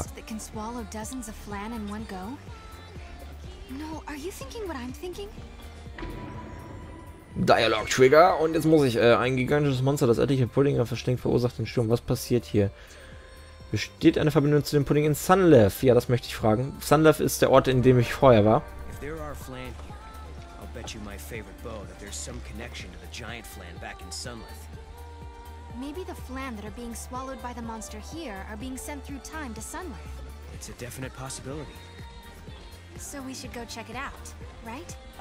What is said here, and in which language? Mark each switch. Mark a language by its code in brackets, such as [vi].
[en] A beast that can swallow dozens of flan in one go? No, are you thinking what I'm thinking? [de] Dialog Trigger. Und jetzt muss ich ein gigantisches Monster, das etliche Pudding verschlingt, verursacht den Sturm. Was passiert hier? Besteht eine Verbindung zu dem Pudding in Sunleaf? Ja, das möchte ich fragen. Sunleaf ist der Ort, in dem ich vorher war. [en] If there are flan here, I'll bet you my favorite bow that there's some connection to the giant flan back in Sunleaf. Maybe the flan that are being swallowed by the monster here are being sent through time to Sunleaf. It's a definite possibility. So we should go check it out, right?